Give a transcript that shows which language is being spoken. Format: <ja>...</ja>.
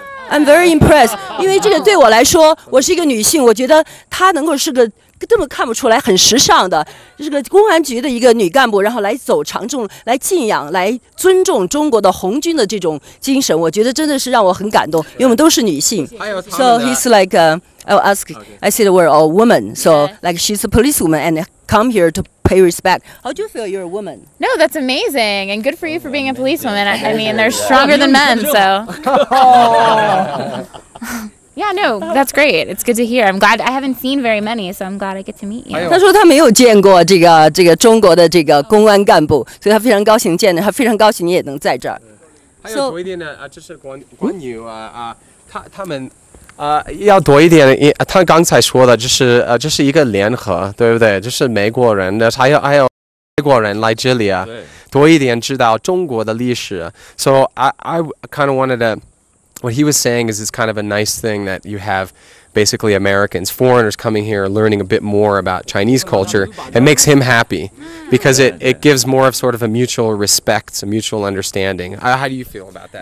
<en>I'm very impressed，</en> <zh>因为这个对我来说，我是一个女性，我觉得她能够是个。这么看不出来很时尚的这个公安局的一个女干部，然后来走长征来敬仰来尊重中国的红军的这种精神，我觉得真的是让我很感动，因为我们都是女性。</zh> <en>So he's like I said we're all women, so like she's a police woman and come here to pay respect. How do you feel you're a woman? No, that's amazing and good for you for being a police woman. I mean they're stronger than men, so Yeah, no, that's great. It's good to hear. I'm glad I haven't seen very many, so I'm glad I get to meet you.</en> <zh>他说他没有见过这个中国的这个公安干部，所以他非常高兴见的，他非常高兴你也能在这儿。还有多一点呢啊，就是关于他们要多一点，他刚才说的就是这是一个联合，对不对？就是美国人的，还有美国人来这里啊，多一点知道中国的历史。</zh> <en>So I kind of wanted to. What he was saying is it's kind of a nice thing that you have basically Americans, foreigners coming here, learning a bit more about Chinese culture, it makes him happy because it gives more of sort of a mutual respect, a mutual understanding. How do you feel about that?</en>